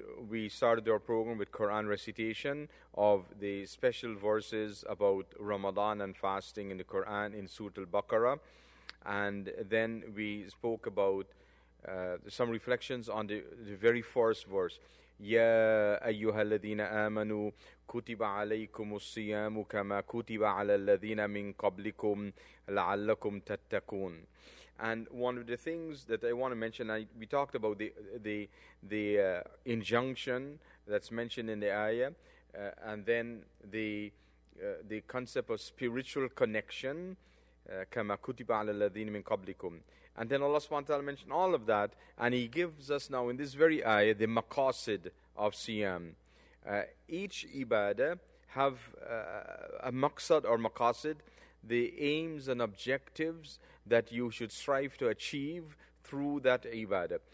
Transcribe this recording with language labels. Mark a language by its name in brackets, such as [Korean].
[English] We started our program with Quran recitation of the special verses about Ramadan and fasting in the Quran in Surah Al-Baqarah, and then we spoke about some reflections on the very first verse. [Arabic] يا أيها الذين آمنوا كتب عليكم الصيام كما كتب على الذين من قبلكم لعلكم تتقون. [English] And one of the things that I want to mention, we talked about the injunction that's mentioned in the ayah, and then the concept of spiritual connection, [Arabic] كما كتب على الذين من قبلكم. [English] And then Allah subhanahu wa ta'ala mentioned all of that, and He gives us now in this very ayah the maqasid of siyam. Each ibadah have a maqsad or maqasid, the aims and objectives that you should strive to achieve through that ibadah.